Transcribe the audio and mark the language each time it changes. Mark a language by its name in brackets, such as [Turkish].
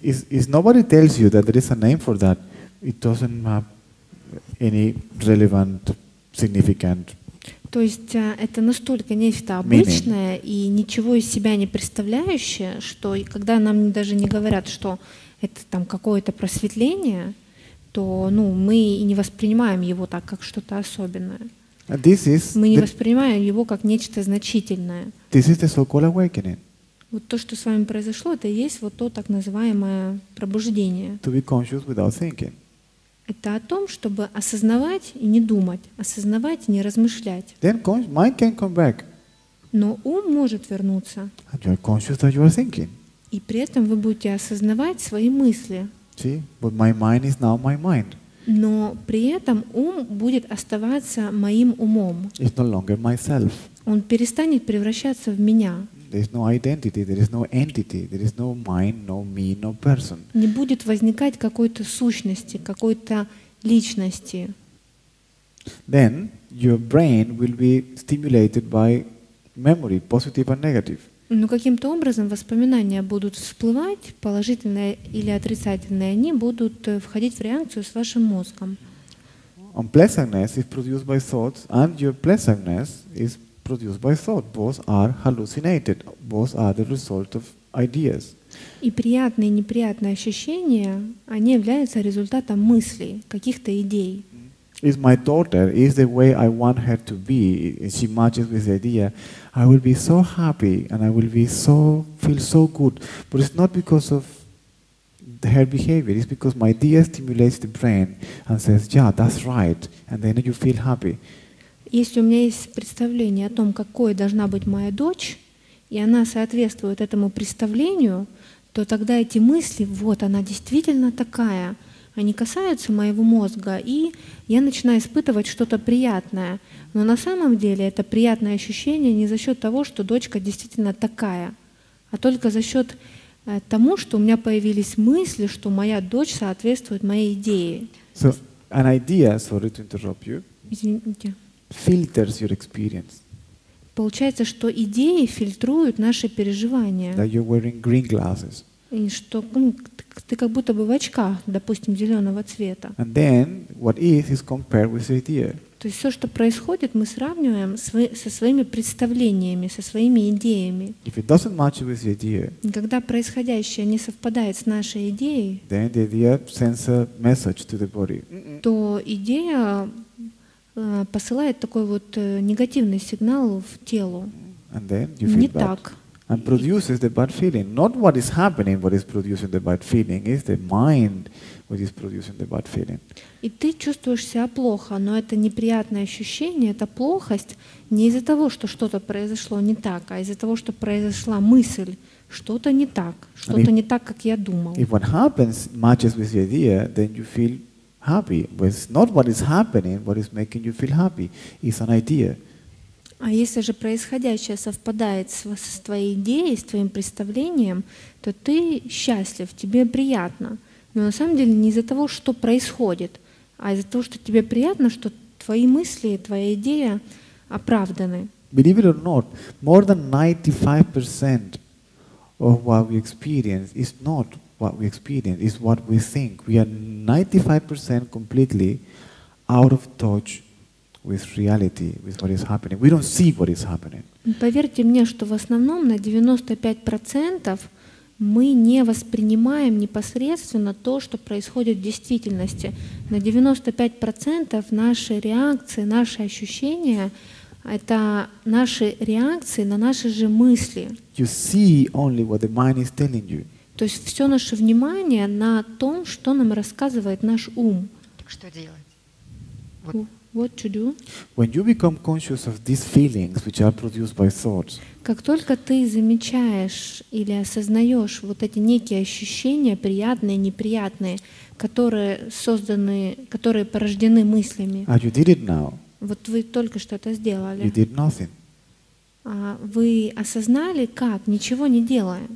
[English] If nobody tells you that there is a name for that, it doesn't matter. Any relevant, significant. [Russian] То есть это настолько нечто обычное и ничего из себя не представляющее, что и когда нам даже не говорят, что это там какое-то просветление, то ну мы и не воспринимаем его так как что-то особенное. [English] This is [Russian] мы не воспринимаем его как нечто значительное. [English] This is the so-called awakening. [Russian] Вот то, что с вами произошло, это и есть вот то так называемое пробуждение. [English] To be conscious without thinking. [Russian] Это о том, чтобы осознавать и не думать, осознавать и не размышлять. [English] Then mind can come back. [Russian] Но ум может вернуться. [English] And you are conscious that you are thinking. [Russian] И при этом вы будете осознавать свои мысли. [English] See? But my mind is now my mind. [Russian] Но при этом ум будет оставаться моим умом. [English] It's no longer myself. [Russian] Он перестанет превращаться в меня. [English] There is no identity, there is no entity, there is no mind, no me, no person. [Russian] Не будет возникать какой-то сущности, какой-то личности. [English] Then your brain will be stimulated by memory, positive and negative. [Russian] Ну каким-то образом воспоминания будут всплывать, положительные или отрицательные, они будут входить в реакцию с вашим мозгом. [English] Unpleasantness is produced by thoughts, and your pleasantness is produced by thought. Both are hallucinated. Both are the result of ideas. [Russian] И приятные и неприятные ощущения, они являются результатом мыслей, каких-то идей. [English] Is my daughter, is the way I want her to be, she matches with the idea, I will be so happy and I will be so, feel so good. But it's not because of her behavior, it's because my idea stimulates the brain and says, yeah, that's right, and then you feel happy. [Russian] Если у меня есть представление о том, какой должна быть моя дочь, и она соответствует этому представлению, то тогда эти мысли, вот она действительно такая, они касаются моего мозга, и я начинаю испытывать что-то приятное. Но на самом деле это приятное ощущение не за счет того, что дочка действительно такая, а только за счет того, что у меня появились мысли, что моя дочь соответствует моей идее. [English] So, an idea, sorry to interrupt you. [Russian] Извините. [English] Filters your experience. [Russian] Получается, что идеи фильтруют наши переживания. [English] That you're wearing green glasses. [Russian] И что ты как будто бы в очках, допустим, зеленого цвета. [English] And then what is compared with the idea. [Russian] То есть все, что происходит, мы сравниваем со своими представлениями, со своими идеями. [English] If it doesn't match with the idea. [Russian] Когда происходящее не совпадает с нашей идеей. [English] Then the idea sends a message to the body. [Russian] То идея посылает такой вот негативный сигнал в тело. [English] And then you feel [Russian] не [English] bad. [Russian] Так. [English] And produces the bad feeling. Not what is happening, what is producing the bad feeling, is the mind what is producing the bad feeling. [Russian] И ты чувствуешь себя плохо, но это неприятное ощущение, это плохость не из-за того, что что-то произошло не так, а из-за того, что произошла мысль, что-то не так, что-то не так, как я думал. [English] If what happens matches with the idea, then you feel happy. But it's not what is happening, what is making you feel happy. It's an idea. [Russian] А если же происходящее совпадает с твоей идеей, с твоим представлением, то ты счастлив, тебе приятно. Но на самом деле не из-за того, что происходит, а из-за того, что тебе приятно, что твои мысли, твоя идея оправданы. [English] Believe it or not, more than 95% of what we experience is not what we experience, it's what we think. We are 95% completely out of touch with reality, with what is happening. We don't see what is happening. [Russian] Поверьте мне, что в основном на 95% мы не воспринимаем непосредственно то, что происходит в действительности. На 95% наши реакции, наши ощущения — это наши реакции на наши же мысли. [English] You see only what the mind is telling you. [Russian] То есть все наше внимание на том, что нам рассказывает наш ум. Что делать? [English] What? What to do? When you become conscious of these feelings, which are produced by thoughts, [Russian] как только ты замечаешь или осознаешь вот эти некие ощущения, приятные, неприятные, которые созданы, которые порождены мыслями, [English] and you did it now. [Russian] Вот вы только что это сделали. [English] You did nothing. [Russian] А вы осознали как? Ничего не делая.